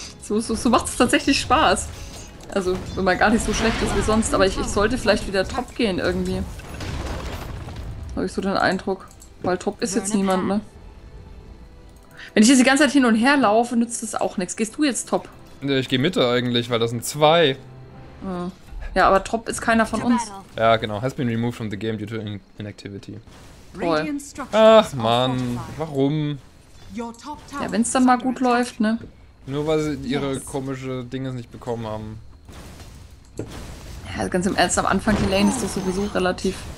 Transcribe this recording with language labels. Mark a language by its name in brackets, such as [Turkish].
[German] So macht es tatsächlich Spaß. Also, wenn man gar nicht so schlecht ist wie sonst, aber ich sollte vielleicht wieder top gehen irgendwie. Habe ich so den Eindruck. Weil top ist jetzt niemand, ne? Wenn ich jetzt die ganze Zeit hin und her laufe, nützt das auch nichts. Gehst du jetzt top? Ne, ich gehe Mitte eigentlich, weil das sind zwei. Ja, aber top ist keiner von uns. Ja, genau. [English] Has been removed from the game due to inactivity. [German] Toll. Ach man, warum? Ja, wenn es dann mal gut läuft, ne? Nur weil sie ihre komische Dinge nicht bekommen haben. Ja, ganz im Ernst, am Anfang die Lane ist das sowieso relativ.